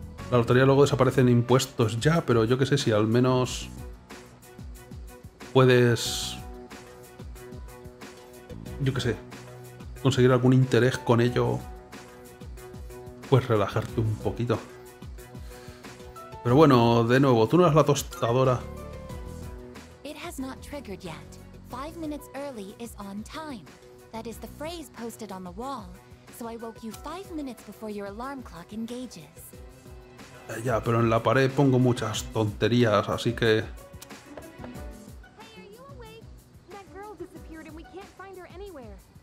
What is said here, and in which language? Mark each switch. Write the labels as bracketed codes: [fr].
[es] La lotería luego desaparece en impuestos ya, pero yo qué sé, si al menos puedes, yo qué sé, conseguir algún interés con ello, pues relajarte un poquito. Pero bueno, de nuevo, tú no eras la tostadora. [en] It has not triggered yet. 5 minutes early is on time. That is the phrase posted on the wall, so I woke you 5 minutes before your alarm clock engages. [es] Ya, pero en la pared pongo muchas tonterías, así que... [en] Hey, are you awake? That girl disappeared and we can't find her anywhere.